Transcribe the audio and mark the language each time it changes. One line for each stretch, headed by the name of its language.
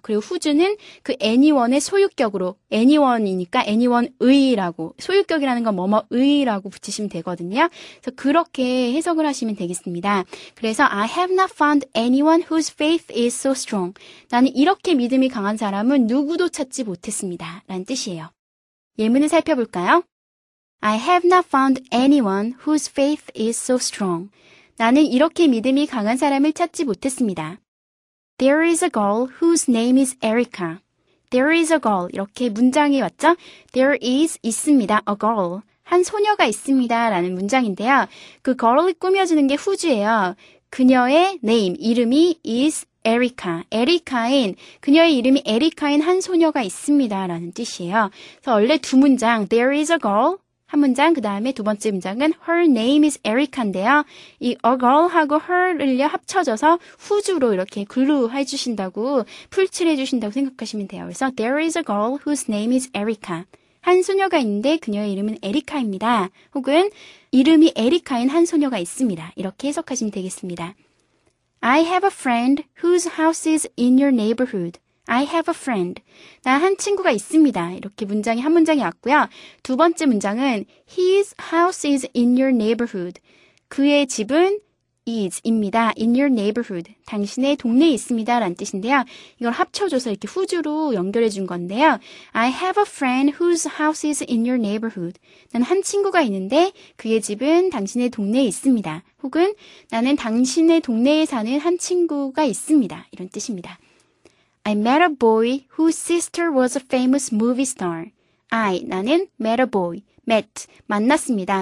Korean: 그리고 whose는 그 anyone의 소유격으로 anyone이니까 anyone의라고 소유격이라는 건 뭐뭐의라고 붙이시면 되거든요. 그래서 그렇게 해석을 하시면 되겠습니다. 그래서
English: I have not found anyone whose faith is so strong.
Korean: 나는 이렇게 믿음이 강한 사람은 누구도 찾지 못했습니다. 라는 뜻이에요. 예문을 살펴볼까요?
English: I have not found anyone whose faith is so strong.
Korean: 나는 이렇게 믿음이 강한 사람을 찾지 못했습니다.
English: There is a girl whose name is Erica. There is a girl.
Korean: 이렇게 문장이 왔죠?
English: There is
Korean: 있습니다.
English: A girl.
Korean: 한 소녀가 있습니다. 라는 문장인데요. 그 girl이 꾸며주는 게 후주예요. 그녀의 name, 이름이 is Erica, Erica인, 그녀의 이름이 Erica인 한 소녀가 있습니다 라는 뜻이에요. 그래서 원래 두 문장,
English: there is a girl
Korean: 한 문장, 그 다음에 두 번째 문장은
English: her name is Erica
Korean: 인데요. 이 a girl하고 her를 합쳐져서 who's로 이렇게 glue 해주신다고, 풀칠해주신다고 생각하시면 돼요.
English: 그래서 there is a girl whose name is Erica.
Korean: 한 소녀가 있는데 그녀의 이름은 에리카입니다. 혹은 이름이 에리카인 한 소녀가 있습니다. 이렇게 해석하시면 되겠습니다.
English: I have a friend whose house is in your neighborhood. I have a friend.
Korean: 나 한 친구가 있습니다. 이렇게 문장이 한 문장이 왔고요. 두 번째 문장은
English: his house is in your neighborhood.
Korean: 그의 집은
English: is
Korean: 입니다.
English: In your neighborhood.
Korean: 당신의 동네에 있습니다. 라는 뜻인데요. 이걸 합쳐줘서 이렇게 후주로 연결해 준 건데요.
English: I have a friend whose house is in your neighborhood.
Korean: 난 한 친구가 있는데 그의 집은 당신의 동네에 있습니다. 혹은 나는 당신의 동네에 사는 한 친구가 있습니다. 이런 뜻입니다.
English: I met a boy whose sister was a famous movie star.
Korean: 나는
English: met a boy.
Korean: met, 만났습니다.